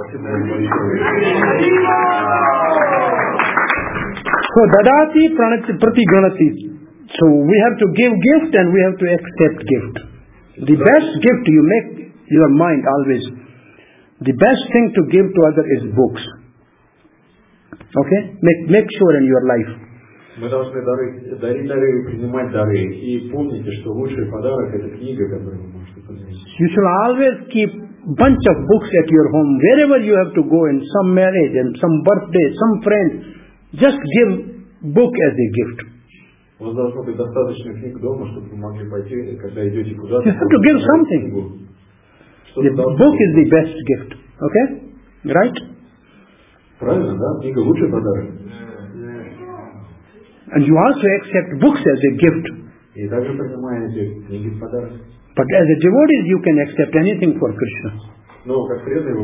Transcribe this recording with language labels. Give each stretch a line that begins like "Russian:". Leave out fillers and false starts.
Sanskrit: So Dadati Pranik Prasigranati.
English: So we have to give gift and we have to accept gift. The best gift you make your mind always. The best thing to give to others is books. Okay? Make sure in your life.
Russian: Мы должны дары принимать дары. И помните, что лучший подарок это книга, которую вы можете принести.
English: You should always keep bunch of books at your home. Wherever you have to go, in some marriage, and some birthday, some friend, just give book as a gift.
Russian: У вас должно быть достаточно книг дома, чтобы вы могли пойти, когда идете куда-то.
English: You have to give something. The book is the best gift. Okay? Right?
Russian: Правильно, да? Книга лучший подарок.
English: And you also accept books as a gift. But as a devotee, you can accept anything for Krishna.